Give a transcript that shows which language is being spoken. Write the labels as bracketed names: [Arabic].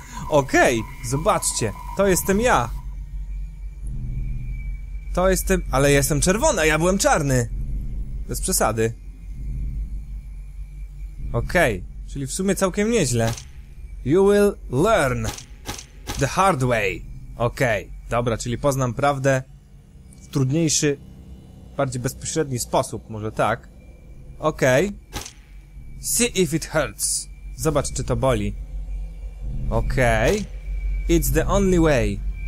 [Polish] Okej, zobaczcie. To jestem ja. To jestem... Ale jestem czerwony, a ja byłem czarny. Bez przesady. Okej, czyli w sumie całkiem nieźle. [English] You will learn the hard way. [Polish] Okej, dobra, czyli poznam prawdę w trudniejszy, bardziej bezpośredni sposób, może tak. Okej. [English] See if it hurts. [Polish] Zobacz, czy to boli. Okej. [English] It's the only way.